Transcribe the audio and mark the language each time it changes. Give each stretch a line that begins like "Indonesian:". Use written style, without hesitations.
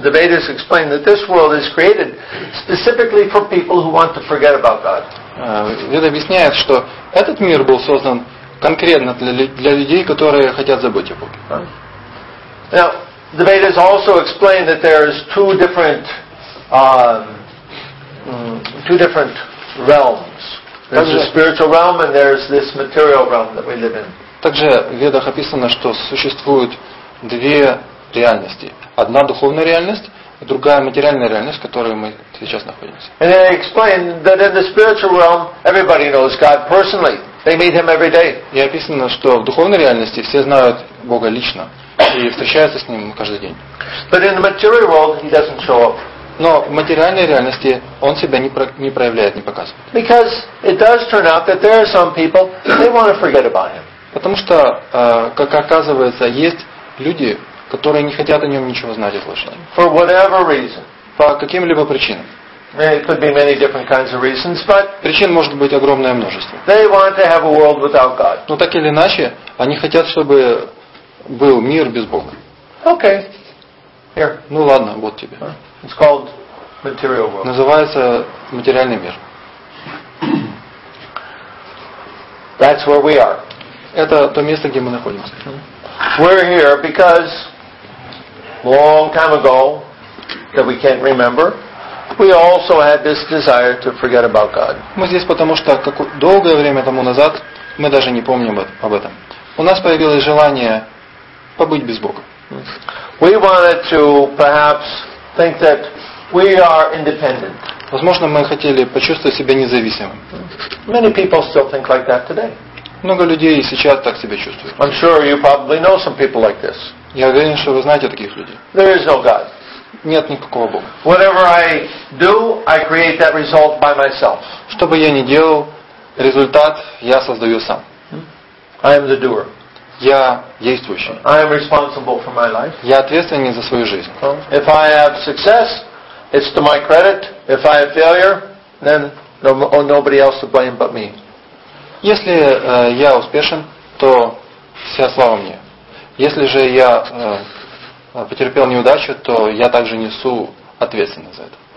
English: The Vedas explain that this world is created specifically for people who want to forget about God.
Russian: Веды объясняют, что этот мир был создан конкретно для людей, которые хотят забыть о Боге.
English: Now, the Vedas also explain that there is two different realms. There's the spiritual realm and there's this material realm that we live in.
Russian: Также в Ведах описано, что существуют две реальности. Одна духовная реальность и другая материальная реальность, в которой мы сейчас находимся.
English: And they explain that in the spiritual realm everybody knows God personally. They meet Him every day.
Russian: И описано, что в духовной реальности все знают Бога лично и встречаются с Ним каждый день.
English: But in the material world He doesn't show up.
Russian: Но в материальной реальности он себя не проявляет, не показывает.
English: Because it does turn out that there are some people they want to forget about Him.
Russian: Потому что, как оказывается, есть люди, которые не хотят о нем ничего знать и слышать.
English: For whatever reason.
Russian: По каким-либо причинам.
English: It could be many different kinds of reasons, but
Russian: причин может быть огромное множество.
English: They want to have a world without God.
Russian: Но так или иначе, они хотят, чтобы был мир без Бога.
English: Okay. Here.
Russian: Ну ладно, вот тебе.
English: It's called material world.
Russian: Называется материальный мир.
English: That's where we are.
Russian: Это то место, где мы находимся.
English: We're here because long time ago, that we can't remember, we also had this desire to forget about God.
Russian: Мы здесь потому, что долгое время тому назад мы даже не помним об этом. У нас появилось желание побыть без Бога.
English: We wanted to perhaps think that we are independent.
Russian: Возможно, мы хотели почувствовать себя независимым.
English: Many people still think like that today.
Russian: Много людей и сейчас так себя чувствуют.
English: I'm sure you probably know some people like this.
Russian: Я уверен, что вы знаете таких людей.
English: There is no God.
Russian: Нет никакого Бога.
English: Whatever I do, I create that result by myself.
Russian: Что бы я ни делал, результат я создаю сам.
English: I am the doer.
Russian: Я действующий.
English: I am responsible for my life.
Russian: Я ответственен за свою жизнь.
English: If I have success, it's to my credit. If I have failure, then nobody else to blame but me.
Russian: Если я успешен, то вся слава мне. Если же я потерпел неудачу, то я также несу ответственность за это.